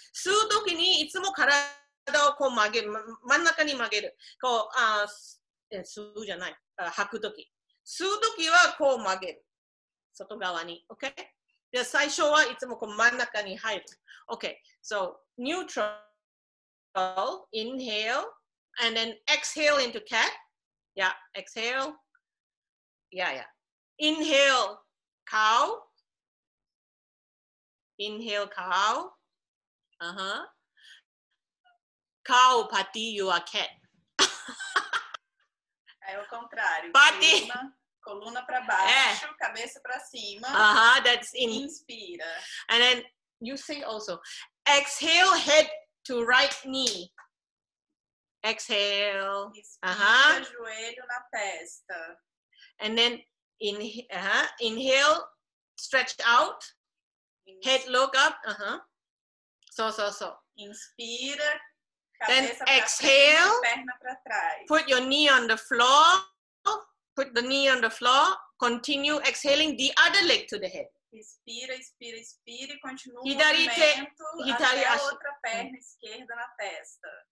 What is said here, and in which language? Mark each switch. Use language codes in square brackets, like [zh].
[ja] 吸うときにいつも体をこう曲げる、真ん中に曲げる。こう、吸うじゃない。吐くとき。吸うときはこう曲げる。外側に。 [en] Okay? [ja] で最初はいつもこう真ん中に入る。 [en] Okay. So, neutral, inhale, and then exhale into cat. Yeah, exhale. Yeah, yeah. Inhale, cow. Inhale, cow. Uh-huh. Cow, pati, you are cat. [pt] É o contrário. Pati. Coluna para baixo, é. Cabeça para cima. [en] Uh-huh, that's in. [pt] Inspira. [en] And then you say also, exhale, head to right knee. Exhale. [pt] Inspira, [en] uh-huh. [pt] Joelho na testa. [en] And then inhale, stretch out. [pt] Inspira. [en] Head look up. Uh-huh. So. [pt] Inspira. [en] Then exhale. [pt] Perna pra trás. [en] Put your knee on the floor. Put the knee on the floor. Continue exhaling the other leg to the head. [pt] Inspira. Continue movimento até a outra perna esquerda na testa.